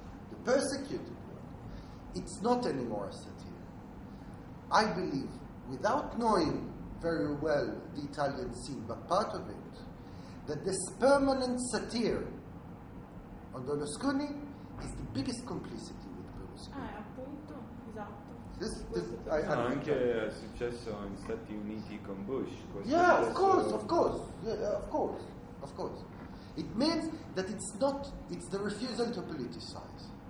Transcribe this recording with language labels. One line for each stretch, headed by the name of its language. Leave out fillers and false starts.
English: The persecuted one. It's not anymore a satire. I believe, without knowing very well the Italian scene, but part of it, that this permanent satire on Berlusconi is the biggest complicity with Berlusconi.
Italian: No, anche è successo in Stati Uniti con Bush.
English: Yeah, of course. It means that it's the refusal to politicize.